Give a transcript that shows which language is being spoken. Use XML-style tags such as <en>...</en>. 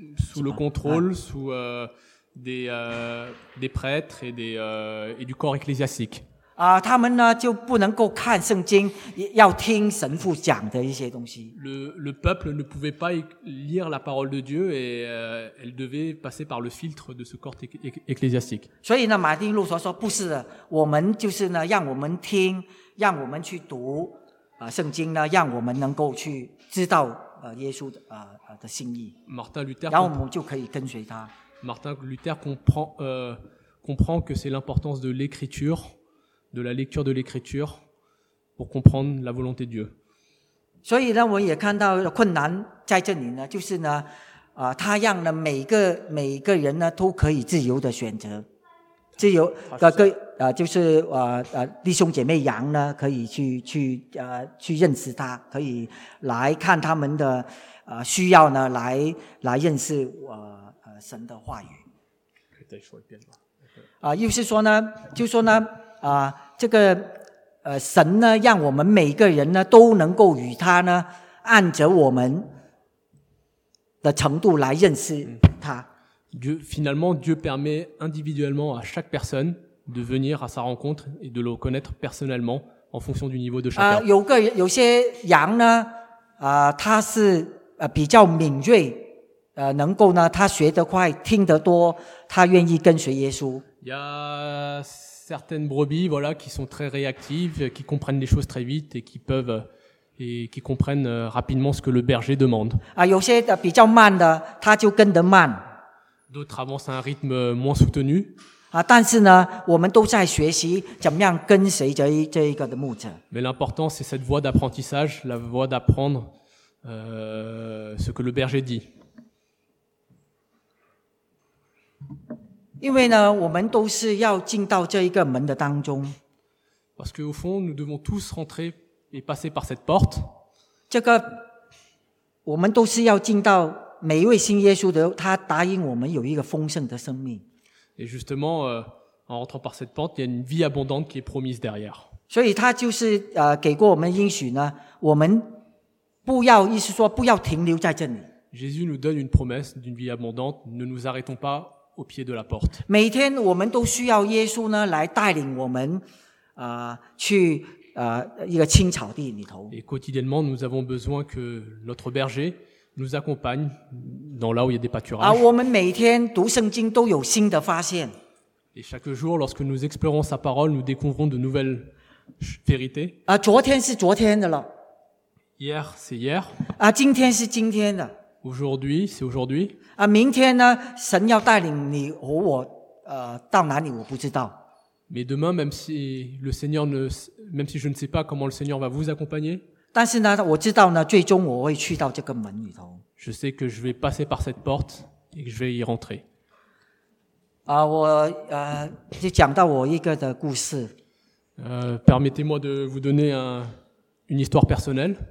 <fr>Sous le contrôle, sous des prêtres et et du corps ecclésiastique.</fr> <zh>啊，他们呢就不能够看圣经，要听神父讲的一些东西。</zh> <fr>Le peuple ne pouvait pas lire la parole de Dieu et elle devait passer par le filtre de ce corps ecclésiastique.</fr> <zh>所以呢，马丁路德说不是的，我们就是呢，让我们听，让我们去读圣经呢，让我们能够去知道耶稣的心意。</zh> <fr>Martin Luther</fr> <zh>然后我们就可以跟随他。</zh> <fr>Martin Luther comprend que c'est l'importance de l'écriture. De la lecture de l'écriture pour comprendre la volonté de Dieu.</fr> <zh>所以呢，我也看到困难在这里呢，就是呢，他让呢每个人呢都可以自由的选择，自由就是弟兄姐妹羊呢可以去认识他，可以来看他们的需要呢来认识神的话语。可以再说一遍吗？又是说呢，就说呢。这个神呢，让我们每个人呢都能够与他呢，按着我们的程度来认识他。</zh> <fr>Dieu, finalement, Dieu permet individuellement à chaque personne de venir à sa rencontre et de le connaître personnellement en fonction du niveau de chacun.</fr> <zh>有些羊呢，它是比较敏锐，能够呢，它学得快，听得多，它愿意跟随耶稣。</zh> <fr>Il y a certaines brebis, voilà, qui sont très réactives, qui comprennent les choses très vite et qui peuvent et qui comprennent rapidement ce que le berger demande.</fr> <zh>有些比较慢的，它就跟得慢。</zh> <fr>D'autres avancent à un rythme moins soutenu.</fr> <zh>但是呢，我们都在学习怎么样跟随这一个的牧者。</zh> <fr>Mais l'important, c'est cette voie d'apprentissage, la voie d'apprendre, ce que le berger dit.</fr> <zh>因为呢，我们都是要进到这一个门的当中。</zh> <fr>Parce qu'au fond, nous devons tous rentrer et passer par cette porte.</fr> <zh>这个，我们都是要进到。每一位信耶稣的，他答应我们有一个丰盛的生命。</zh> <fr>Et justement, en entrant par cette porte, il y a une vie abondante qui est promise derrière.</fr> <zh>所以他就是给过我们应许呢，我们不要，意思说不要停留在这里。</zh> <fr>Jésus nous donne une promesse d'une vie abondante. Ne nous arrêtons pas au pied de la porte.</fr> <zh>每天我们都需要耶稣呢来带领我们去一个青草地里头。</zh> <fr>Et quotidiennement, nous avons besoin que notre berger nous accompagne dans là où il y a des pâturages.</fr> <zh>我们每天读圣经都有新的发现。</zh> <fr>Et chaque jour, lorsque nous explorons sa parole, nous découvrons de nouvelles vérités.</fr> <zh>昨天是昨天的了。</zh> <fr>Hier, c'est hier.</fr> <zh>今天是今天的。</zh> <fr>Aujourd'hui, c'est aujourd'hui.</fr> <zh>明天呢，神要带领你和我，到哪里我不知道。</zh> <fr>Mais demain, même si le Seigneur ne, même si je ne sais pas comment le Seigneur va vous accompagner,</fr> <zh>但是呢，我知道呢，最终我会去到这个门里头。</zh> <fr>Je sais que je vais passer par cette porte et que je vais y rentrer.</fr> <zh>我就讲到我一个的故事。</zh> <fr>Permettez-moi de vous donner une histoire personnelle.</fr>